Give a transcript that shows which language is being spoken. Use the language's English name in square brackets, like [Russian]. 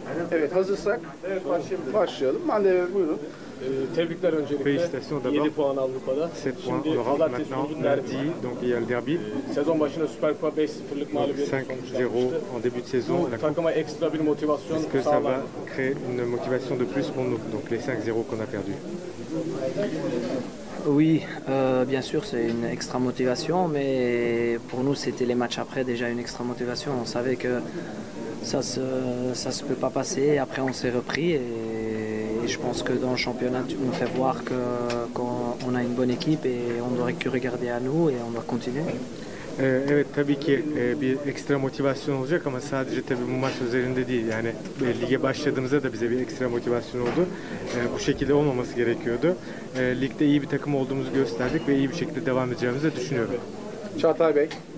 [Turkish] Evet, hazırsak başlayalım. Mandeve buyurun. Tebrikler öncelikle. 7 puan Avrupa'da. Şimdi pazartesi bugün derbi. [French] Donc il y a le derby. [Turkish] Sezon başında Süper Kupa 5-0'lık mağlubiyet sonuçlanmıştı. [French] 5-0 en début de saison. [Turkish] Bu takıma ekstra bir motivasyon sağlar. [French] Est-ce que ça va créer une motivation de plus pour nous? Donc les 5-0 qu'on a perdu. Oui, bien sûr, c'est une extra motivation, mais pour nous, c'était les matchs après déjà une extra motivation. On savait que ça se peut pas passer. Après, on s'est repris et je pense que dans le championnat, on fait voir qu'on a une bonne équipe et on doit que regarder à nous et on doit continuer. [Turkish] Evet tabii ki bir ekstra motivasyon olacak ama sadece tabii bu maç üzerinde değil. Yani lige başladığımızda da bize bir ekstra motivasyon oldu. Bu şekilde olmaması gerekiyordu. Ligde iyi bir takım olduğumuzu gösterdik ve iyi bir şekilde devam edeceğimizi düşünüyorum. Çağatay Bey.